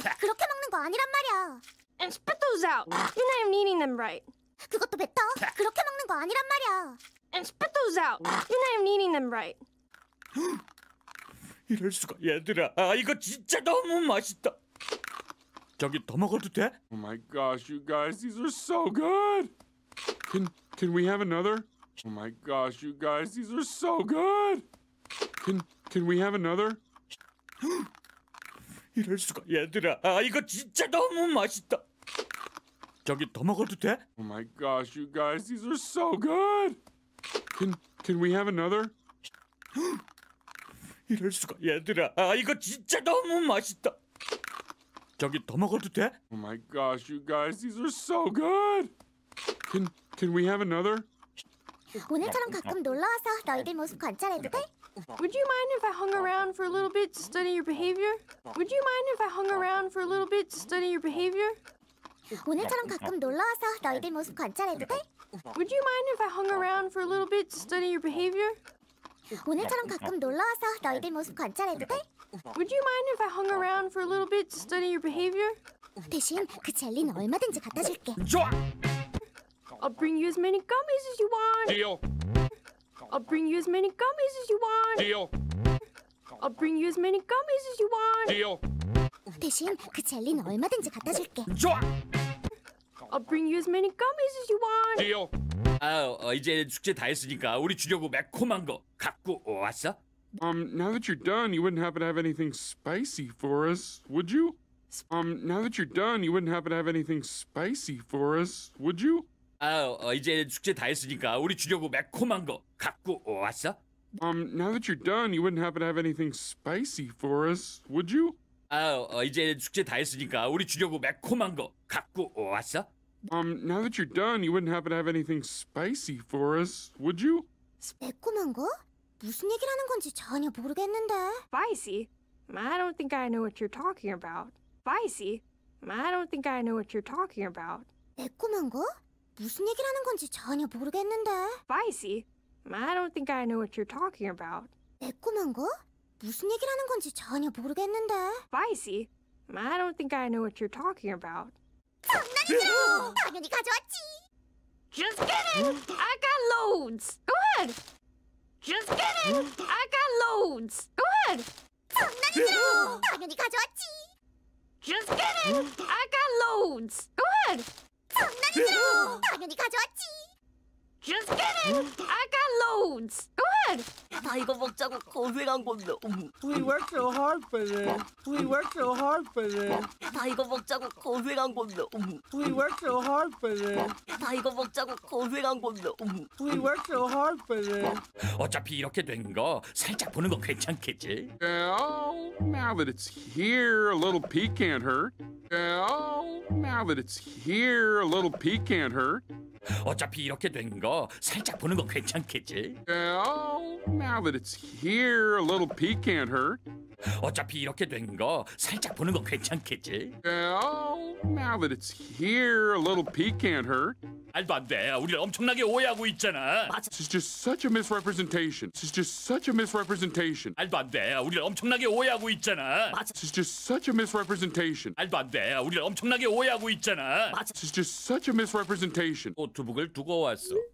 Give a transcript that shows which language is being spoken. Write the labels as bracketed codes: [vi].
[ko] 그렇게 먹는 거 아니란 말이야. [en] And spit those out. You know I'm needing them right. [ko] 그것도 뱉어? 그렇게 먹는 거 아니란 말이야. [en] And spit those out. You know I'm needing them right. [ko] 이럴 수가. 얘들아, 아, 이거 진짜 너무 맛있다. 저기 더 먹어도 돼? [en] Oh my gosh, you guys, these are so good. Can we have another? Oh my gosh, you guys, these are so good. Can we have another? [ko] 이럴 수가. 얘들아, 아, 이거 진짜 너무 맛있다. 저기 더 먹어도 돼? [en] Oh my gosh, you guys, these are so good. Can we have another? [ko] 이럴 수가. 얘들아, 아, 이거 진짜 너무 맛있다. 저기 더 먹어도 돼? [en] Oh my gosh, you guys, these are so good. Can we have another? [ko] 오늘처럼 가끔 놀러 와서 너희들 모습 관찰해도 돼? [en] Would you mind if I hung around for a little bit to study your behavior? Would you mind if I hung around for a little bit to study your behavior? [ko] 오늘처럼 가끔 놀러 와서 너희들 모습 관찰해도 돼? [en] Would you mind if I hung around for a little bit to study your behavior? [ko] 오늘처럼 가끔 놀러 와서 너희들 모습 관찰해도 돼? [en] Would you mind if I hung around for a little bit to study your behavior? [ko] 대신 그 젤리는 얼마든지 갖다 줄게. 좋아. [en] I'll bring you as many gummies as you want. Deal. I'll bring you as many gummies as you want. Deal. I'll bring you as many gummies as you want. Deal. [ko] 대신 그 젤리는 얼마든지 갖다 줄게. 좋아. [en] I'll bring you as many gummies as you want. Deal. [ko] 아, 이제 숙제 다 했으니까 우리 주려고 매콤한 거 갖고 왔어? [en] Now that you're done, you wouldn't happen to have anything spicy for us, would you? Now that you're done, you wouldn't happen to have anything spicy for us, would you? [ko] 아, 이제 숙제 다 했으니까 우리 주려고 매콤한 거 갖고 왔어? [en] Now that you're done, you wouldn't happen to have anything spicy for us, would you? [ko] 아, 이제 숙제 다 했으니까 우리 주려고 매콤한 거 갖고 왔어? [en] Now that you're done, you wouldn't happen to have anything spicy for us, would you? [ko] 매콤한 거? 무슨 얘기를 하는 건지 전혀 모르겠는데. [en] Spicy? I don't think I know what you're talking about. Spicy? I don't think I know what you're talking about. [ko] 매콤한 거? 무슨 얘기를 하는 건지 전혀 모르겠는데. [en] Spicy? I don't think I know what you're talking about. [ko] 매콤한 거? 무슨 얘기를 하는 건지 전혀 모르겠는데. [en] Spicy? I don't think I know what you're talking about. [ko] 장난이죠! 당연히 가져왔지! [en] Just kidding! I got loads! Go ahead! Just kidding! I got loads! Go ahead! [ko] 장난이죠! 당연히 가져왔지! [en] Just kidding! I got loads! Go ahead! [ko] 장난이죠! 당연히 가져왔지! [en] Just kidding! I got loads! Go ahead! [ko] 나 이거 먹자고 고생한 건데. [en] We worked so hard for this. We worked so hard for this. [ko] 나 이거 먹자고 고생한 건데. [en] We worked so hard for this. [ko] 나 이거 먹자고 고생한 건데. [en] We worked so hard for this. [ko] 어차피 이렇게 된 거 살짝 보는 거 괜찮겠지? [en] Well, now that it's here, a little peek can't hurt. Well, now that it's here, a little peek can't hurt. [ko] 어차피 이렇게 된 거 살짝 보는 거 괜찮겠지? [en] Well, now that it's here, a little peek can't hurt. [ko] 어차피 이렇게 된 거 살짝 보는 거 괜찮겠지? [en] Well, now that it's here, a little peek can't hurt. [ko] 말도 안 돼. 우리를 엄청나게 오해하고 있잖아. 맞아. [en] This is just such a misrepresentation. This is just such a misrepresentation. [ko] 말도 안 돼. 우리를 엄청나게 오해하고 있잖아. 맞아. [en] This is just such a misrepresentation. [ko] 말도 안 돼. 우리를 엄청나게 오해하고 있잖아. 맞아. [en] This is just such a misrepresentation. [ko] 어, 두부글 두고 왔어.